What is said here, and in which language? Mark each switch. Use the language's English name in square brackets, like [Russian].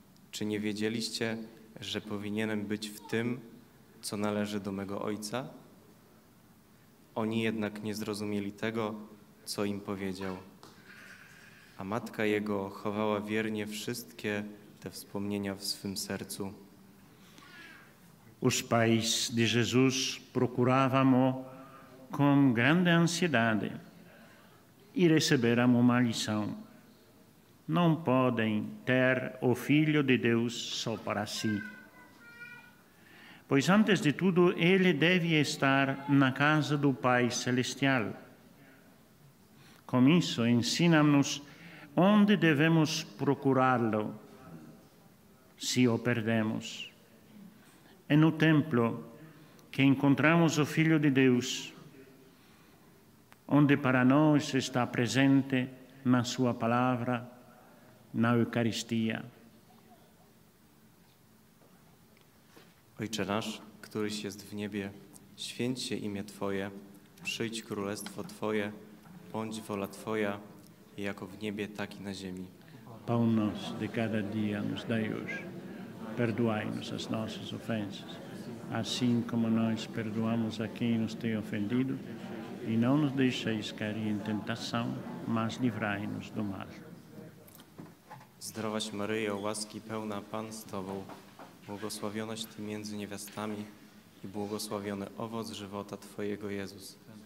[Polish] Czy nie wiedzieliście, że powinienem być w tym, co należy do mego ojca? Oni jednak nie zrozumieli tego, co im powiedział. A matka jego chowała wiernie wszystkie te wspomnienia w swym sercu. [Portuguese] Os pais de Jesus procuravam-o com grande ansiedade e receberam uma lição. Não podem ter o Filho de Deus só para si. Pois antes de tudo, ele deve estar na casa do Pai Celestial. Com isso, ensina-nos onde devemos procurá-lo se o perdemos. É no templo que encontramos o Filho de Deus, onde para nós está presente na sua palavra, na Eucaristia. [Polish] Ojcze nasz, któryś jest w niebie, święć się imię Twoje, przyjdź królestwo Twoje, bądź wola Twoja, jako w niebie, tak i na ziemi. [Portuguese] Pão nosso de cada dia nos dai hoje, perdoai-nos as nossas ofensas, assim como nós perdoamos a quem nos tem ofendido, e não nos deixeis cair em tentação, mas livrai-nos do mal. [Polish] Zdrowaś Maryjo, łaski pełna, Pan z Tobą, błogosławionaś Ty między niewiastami i błogosławiony owoc żywota Twojego, Jezus.